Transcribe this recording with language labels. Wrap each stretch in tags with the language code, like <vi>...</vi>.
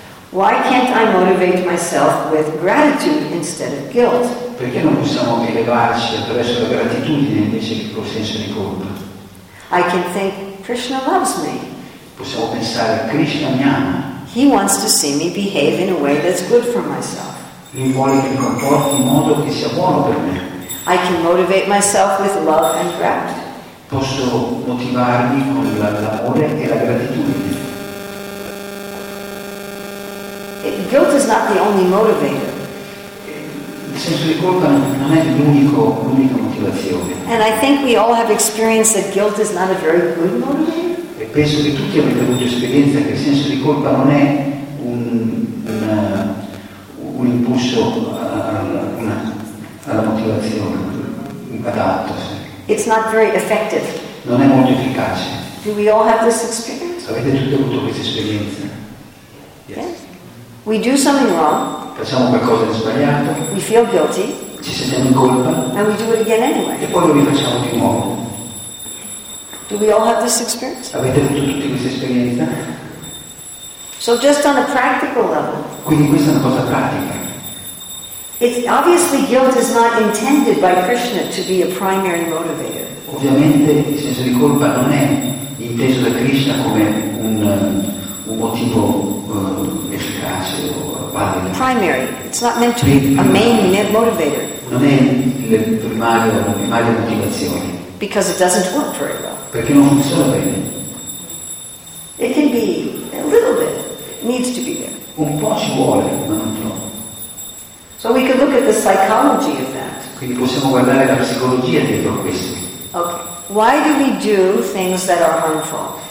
<en>Why can't I motivate myself with gratitude instead of guilt?</en> <it>Perché non possiamo elevarci attraverso la gratitudine invece che col senso di colpa?</it> <en>I can think Krishna loves me.</en> <it>Possiamo pensare Krishna mi ama.</it> <en>He wants to see me behave in a way that's good for myself.</en> <it>Lui vuole che mi comporti in modo che sia buono per me.</it> <en>I can motivate myself with love and gratitude.</en> <it>Posso motivarmi con l'amore e la gratitudine.</it> <en>Guilt is not the only motivator.</en> <it>Il senso di colpa non è l'unica motivazione.</it> <en>And I think we all have experienced that guilt is not a very good motivator.</en> <it>E penso che tutti abbiamo avuto esperienza che il senso di colpa non è un impulso alla motivazione adatto.</it> <en>It's not very effective.</en> <it>Non è molto efficace.</it> <en>Do we all have this experience?</en> <it>Avete tutti avuto questa esperienza?</it> <en>Yes. We do something wrong.</en> <it>Facciamo qualcosa di sbagliato.</it> <en>We feel guilty.</en> <it>Ci sentiamo in colpa.</it> <en>And we do it again anyway.</en> <it>E poi lo rifacciamo di nuovo.</it> <en>Do we all have this experience?</en> <it>Avete avuto tutti questa esperienza?</it> <en>So just on a practical level.</en> <it>Quindi questa è una cosa pratica.</it> <en>It's obviously guilt is not intended by Krishna to be a primary motivator.</en> <it>Ovviamente il senso di colpa non è inteso da Krishna come un motivo principale.</it> <en>Primary. It's not meant to be a main motivator.</en> <it>Non è la primaria motivazione.</it> <en>Because it doesn't work very well.</en> <it>Perché non funziona bene.</it> <en>It can be a little bit. It needs to be there.</en> <it>Un po' ci vuole, ma non troppo.</it> <en>So we could look at the psychology of that.</en> <it>Quindi possiamo guardare la psicologia dietro a questo.</it> <en>Okay. Why do we do things that are harmful?</en>